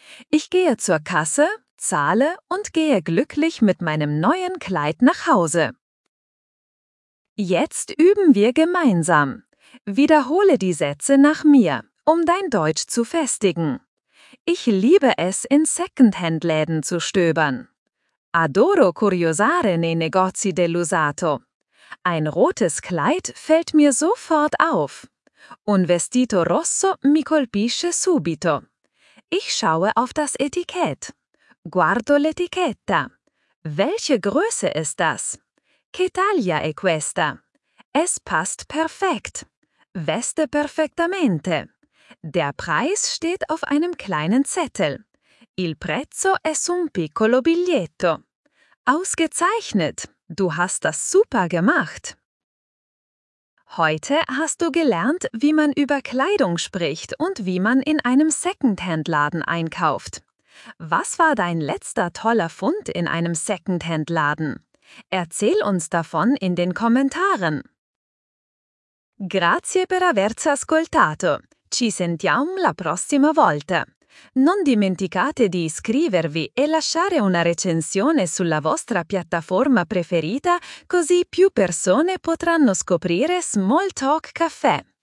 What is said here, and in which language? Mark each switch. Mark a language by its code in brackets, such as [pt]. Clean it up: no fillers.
[de] Ich gehe zur Kasse, zahle und gehe glücklich mit meinem neuen Kleid nach Hause. Jetzt üben wir gemeinsam. Wiederhole die Sätze nach mir, um dein Deutsch zu festigen. Ich liebe es, in Secondhand-Läden zu stöbern. [it] Adoro curiosare nei negozi dell'usato. [de] Ein rotes Kleid fällt mir sofort auf. [it] Un vestito rosso mi colpisce subito. [de] Ich schaue auf das Etikett. [it] Guardo l'etichetta. [de] Welche Größe ist das? [it] Che taglia è questa? [de] Es passt perfekt. [it] Veste perfettamente. [de] Der Preis steht auf einem kleinen Zettel. [it] Il prezzo è su un piccolo biglietto. [de] Ausgezeichnet! Du hast das super gemacht! Heute hast du gelernt, wie man über Kleidung spricht und wie man in einem Secondhand-Laden einkauft. Was war dein letzter toller Fund in einem Secondhand-Laden? Erzähl uns davon in den Kommentaren! [it] Grazie per averci ascoltato! Ci sentiamo la prossima volta! Non dimenticate di iscrivervi e lasciare una recensione sulla vostra piattaforma preferita, così più persone potranno scoprire Small Talk Café.